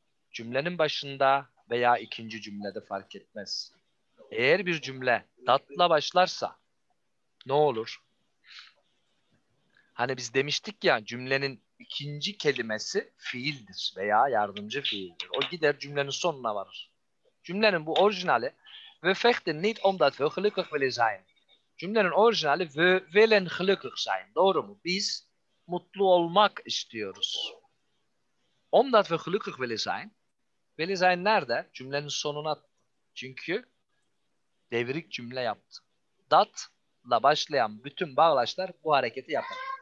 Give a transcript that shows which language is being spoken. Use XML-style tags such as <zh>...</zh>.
<tr>Cümlenin başında veya ikinci cümlede fark etmez. Eğer bir cümle dat'la başlarsa ne olur? Hani biz demiştik ya cümlenin İkinci kelimesi fiildir veya yardımcı fiildir. O gider cümlenin sonuna varır. Cümlenin bu orijinali</tr> <nl>we vechten niet omdat we gelukkig willen zijn.</nl> <tr>Cümlenin orijinali</tr> <nl>we willen gelukkig zijn.</nl> <tr>Doğru mu? Biz mutlu olmak istiyoruz.</tr> <nl>Omdat we gelukkig willen zijn. Willen zijn</nl> <tr>nerede? Cümlenin sonuna. Çünkü devrik cümle yaptı. Dat'la başlayan bütün bağlaçlar bu hareketi yapar.</tr>